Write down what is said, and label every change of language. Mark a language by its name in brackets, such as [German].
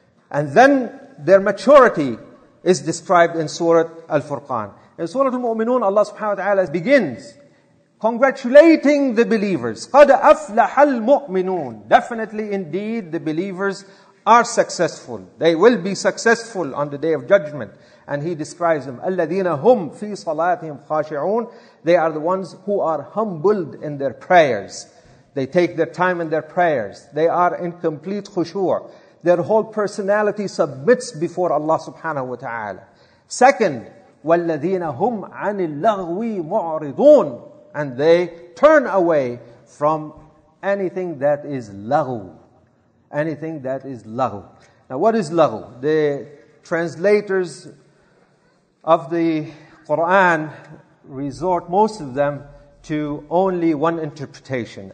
[English] And then their maturity is described in Surah Al-Furqan. In Surah Al-Mu'minun, Allah subhanahu wa ta'ala begins congratulating the believers. [Arabic] قَدْ أَفْلَحَ الْمُؤْمِنُونَ. [English] Definitely, indeed, the believers are successful. They will be successful on the Day of Judgment. And he describes them, [Arabic] أَلَّذِينَ هُمْ فِي صَلَاتِهِمْ خَاشِعُونَ. [English] They are the ones who are humbled in their prayers. They take their time in their prayers. They are in complete khushu'. Their whole personality submits before Allah subhanahu wa ta'ala. Second, [Arabic] وَالَّذِينَ هُمْ عَنِ اللَّغْوِ مُعْرِضُونَ. [English] And they turn away from anything that is laghu. Anything that is laghu. Now what is laghu? The translators of the Quran resort, most of them, to only one interpretation.